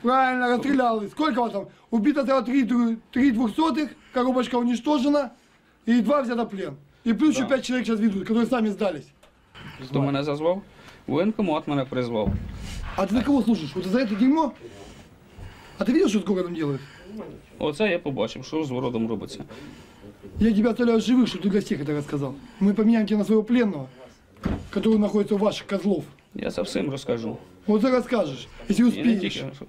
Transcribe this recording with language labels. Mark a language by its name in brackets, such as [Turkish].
[Russian] Правильно, расстреляли. Сколько вас там? Убито 3 200, коробочка уничтожена. И 2 взято в плен. И плюс еще 5 человек сейчас ведут, которые сами сдались. Кто меня зазвал? Военкомат меня призвал. А ты за кого служишь? Вот за это дерьмо? А ты видел, что с городом делают? [Ukrainian] Оце я побачив, що з городом робиться. [Russian] Я тебя оставляю живых, чтобы ты для всех это рассказал. Мы поменяем тебя на своего пленного, который находится у ваших козлов. Я совсем расскажу. Вот ты расскажешь, если успеешь.